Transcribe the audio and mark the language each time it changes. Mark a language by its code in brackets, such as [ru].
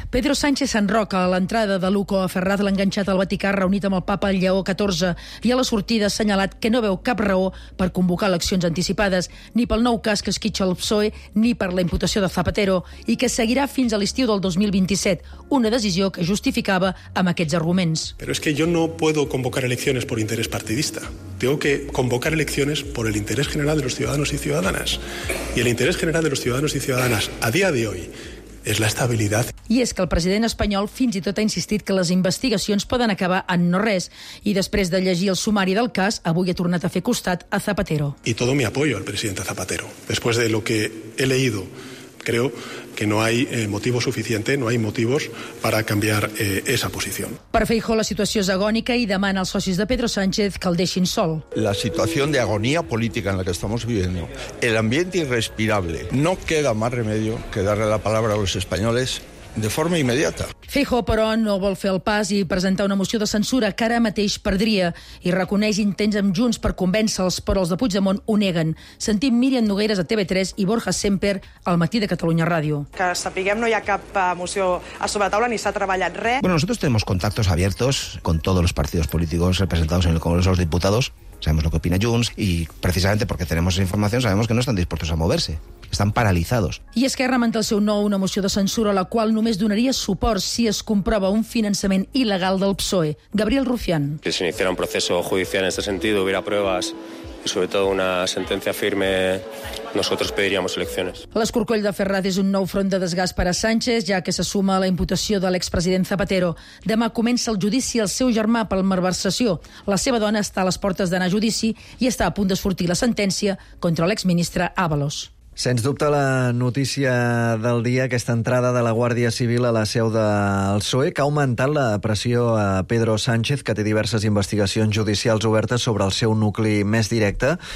[ca] Pedro Sánchez s'enroca a l'entrada de l'UCO a Ferraz, l'ha enganxat al Vaticà reunit amb el papa Lleó XIV, i a la sortida ha assenyalat que no veu cap raó per convocar eleccions anticipades ni pel nou cas que esquitxa el PSOE ni per la imputació de Zapatero, i que seguirà fins a l'estiu del 2027, una decisió que justificava amb aquests arguments. [es] Pero es que yo no puedo convocar elecciones por interés partidista. Tengo que convocar elecciones por el interés general de los ciudadanos y ciudadanas. Y el interés general de los ciudadanos y ciudadanas a día de hoy es la estabilidad. [ca] I és que el president espanyol fins i tot ha insistit que les investigacions poden acabar en no res. I després de llegir el sumari del cas, avui ha tornat a fer costat a Zapatero. [es] Y todo mi apoyo al presidente Zapatero. Después de lo que he leído, creo que no hay motivo suficiente, no hay motivos para cambiar esa posición. [ca] Per Feijóo, la situació és agònica i demana als socis de Pedro Sánchez que el deixin sol. [es] La situación de agonía política en la que estamos viviendo, el ambiente irrespirable, no queda más remedio que darle la palabra a los españoles de forma immediata. [ca] Feijóo, però, no vol fer el pas i presentar una moció de censura que ara mateix perdria, i reconeix intents amb Junts per convèncer-los, però els de Puigdemont ho neguen. Sentim Míriam Nogueras a TV3 i Borja Semper al Matí de Catalunya Ràdio. Que sapiguem, no hi ha cap moció a sobre taula ni s'ha treballat res. [es] Bueno, nosotros tenemos contactos abiertos con todos los partidos políticos representados en el Congreso de los Diputados. Sabemos lo que opina Junts y, precisamente porque tenemos esa información, sabemos que no están dispuestos a moverse. [ca] Estan paralitzats. I Esquerra manté el seu nou una moció de censura a la qual només donaria suport si es comprova un finançament il·legal del PSOE. Gabriel Rufián. [es] Si se iniciara un proceso judicial en este sentido, hubiera pruebas y sobre todo una sentencia firme, nosotros pediríamos elecciones. [ca] L'escorcoll de Ferraz és un nou front de desgast per a Sánchez, ja que se suma a la imputació de l'expresident Zapatero. Demà comença el judici al seu germà per malversació. La seva dona està a les portes d'anar a judici i està a punt d'esfortir la sentència contra l'exministre Ábalos. Sens dubte, la notícia del dia, aquesta entrada de la Guàrdia Civil a la seu del PSOE, que ha augmentat la pressió a Pedro Sánchez, que té diverses investigacions judicials obertes sobre el seu nucli més directe.